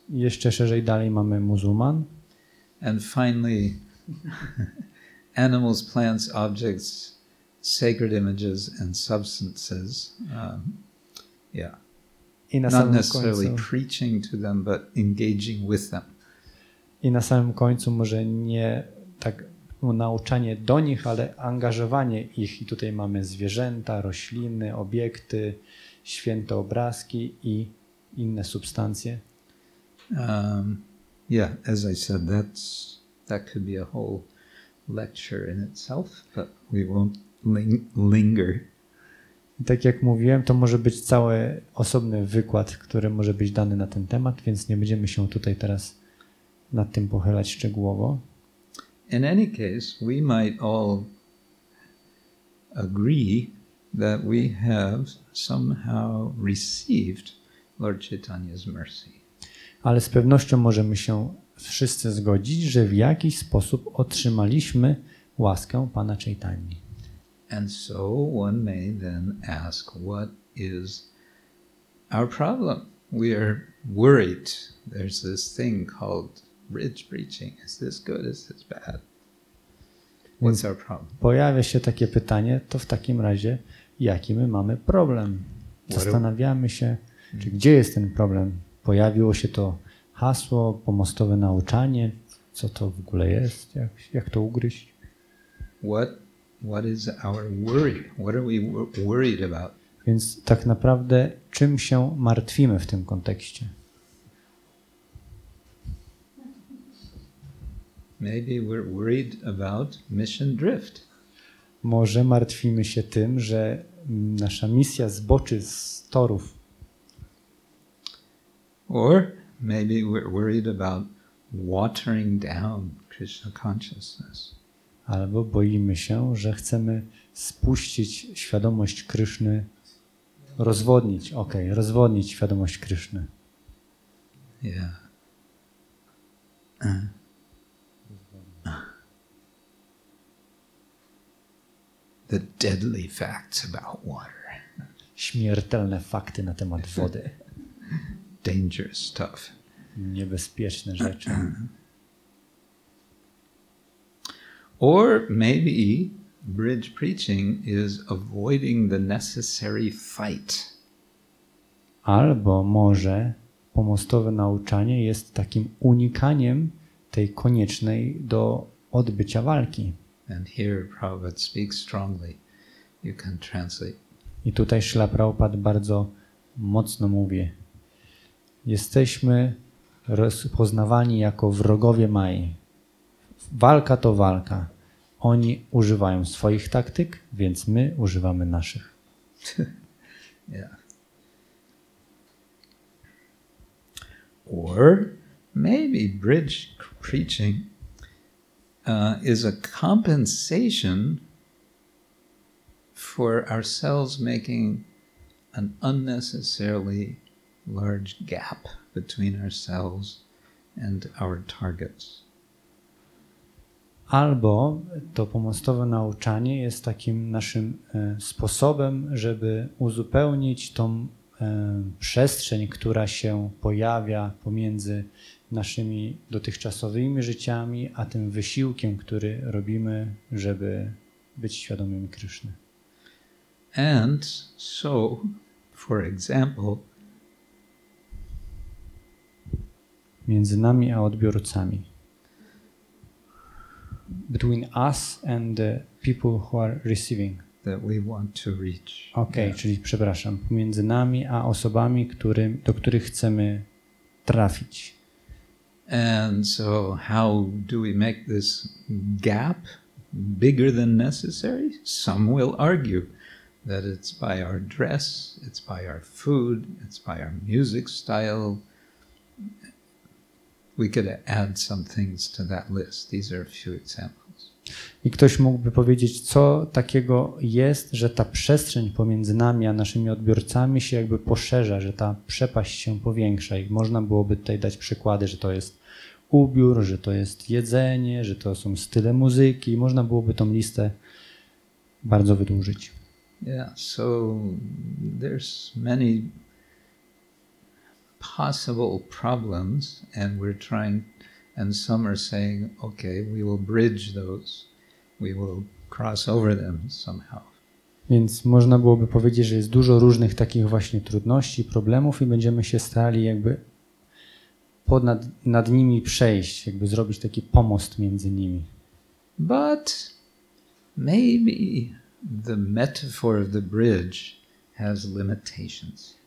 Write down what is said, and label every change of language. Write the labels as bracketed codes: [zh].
[pl] jeszcze szerzej dalej mamy muzułman. [en] And finally, animals, plants, objects, sacred images and substances. Not necessarily [pl] końcu, [en] preaching to them, but engaging with them. [pl] I na samym końcu może nie tak nauczanie do nich, ale angażowanie ich. I tutaj mamy zwierzęta, rośliny, obiekty, święte obrazki i inne substancje. [en] As I said, that could be a whole lecture in itself, but we won't linger. [pl] Tak jak mówiłem, to może być cały osobny wykład, który może być dany na ten temat, więc nie będziemy się tutaj teraz nad tym pochylać szczegółowo. [en] In any case, we might all agree that we have somehow received Lord Chaitanya's mercy. [pl] Ale z pewnością możemy się wszyscy zgodzić, że w jakiś sposób otrzymaliśmy łaskę Pana Chaitanyi. [en] And so one may then ask, what is our problem? We are worried. There's this thing called bridge preaching. Is this good? Is this bad? What's our problem? [pl] Pojawia się takie pytanie, to w takim razie, jaki my mamy problem? Zastanawiamy się, czy gdzie jest ten problem? Pojawiło się to hasło, pomostowe nauczanie. Co to w ogóle jest? Jak to ugryźć? [en] What is our worry? What are we worried about? [pl] Więc tak naprawdę, czym się martwimy w tym kontekście? [en] Maybe we're worried about mission drift. [pl] Może martwimy się tym, że nasza misja zboczy z torów. [en] Or maybe we're worried about watering down Krishna consciousness. [pl] Albo boimy się, że chcemy spuścić świadomość Kryszny, rozwodnić świadomość Kryszny. [en] Yeah. The deadly facts about water. [pl] Śmiertelne fakty na temat wody. [en] Dangerous stuff. [pl] Niebezpieczne rzeczy. [en] Or maybe bridge preaching is avoiding the necessary fight. [pl] Albo może pomostowe nauczanie jest takim unikaniem tej koniecznej do odbycia walki. [en] And here Prabhupada speaks strongly. You can translate. [pl] I tutaj Śrila Prabhupada bardzo mocno mówi. Jesteśmy rozpoznawani jako wrogowie Maji. Walka to walka. Oni używają swoich taktyk, więc my używamy naszych. [en] Yeah. Or maybe bridge preaching is a compensation for ourselves making an unnecessarily large gap between ourselves and our targets. [pl] Albo to pomostowe nauczanie jest takim naszym sposobem, żeby uzupełnić tą przestrzeń, która się pojawia pomiędzy naszymi dotychczasowymi życiami, a tym wysiłkiem, który robimy, żeby być świadomymi Kryszny. [en] And so, for example, [pl] między nami a odbiorcami. [en] Between us and the people who are receiving. That we want to reach. [pl] Okay, yeah. Czyli przepraszam, pomiędzy nami a osobami, do których chcemy trafić. [en] And so how do we make this gap bigger than necessary? Some will argue that it's by our dress, it's by our food, it's by our music style. We could add some things to that list. These are a few examples. [pl] I ktoś mógłby powiedzieć, co takiego jest, że ta przestrzeń pomiędzy nami a naszymi odbiorcami się jakby poszerza, że ta przepaść się powiększa. I można byłoby tutaj dać przykłady, że to jest ubiór, że to jest jedzenie, że to są style muzyki. Można byłoby tą listę bardzo wydłużyć. [en] Yeah, so there's many possible problems, and we're trying, and some are saying, okay, we will bridge those, we will cross over them somehow. [pl] Więc można byłoby powiedzieć, że jest dużo różnych takich właśnie trudności, problemów i będziemy się starali jakby nad nimi przejść, jakby zrobić taki pomost między nimi. [en] But maybe the metaphor of the bridge has limitations.